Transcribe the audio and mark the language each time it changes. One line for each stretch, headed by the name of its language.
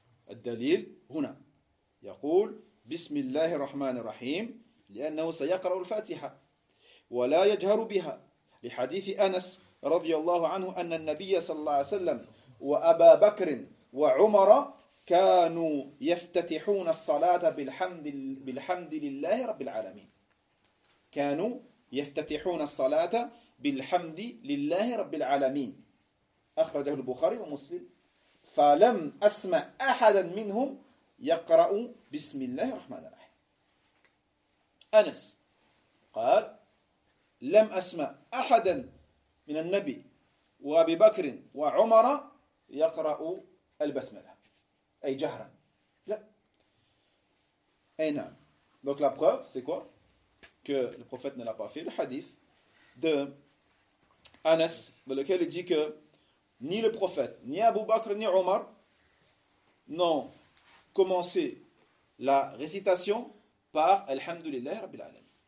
Arabic: Al-dalil, huna. Yaqul, bismillahi rahman rahim, li'annahu sayaqra'u al-fatiha, wa la yajharu biha, li hadithi Anas, radiyallahu anhu, anna nabiyya sallallahu alayhi wa sallam, wa aba bakrin, wa umara, كانوا يفتتحون الصلاة بالحمد لله رب العالمين. كانوا يفتتحون الصلاة بالحمد لله رب العالمين. أخرجه البخاري ومسلم. فلم أسمع أحدا منهم يقرأ بسم الله الرحمن الرحيم. أنس قال لم أسمع أحدا من النبي وأبي بكر وعمر يقرأ البسملة.
French: Et Jahran. Là. Et non. Donc la preuve, c'est quoi? Que le prophète ne l'a pas fait. Le hadith de Anas, dans lequel il dit que ni le prophète, ni Abu Bakr, ni Omar n'ont commencé la récitation par
Arabic: Alhamdulillah Rabbil Alamin.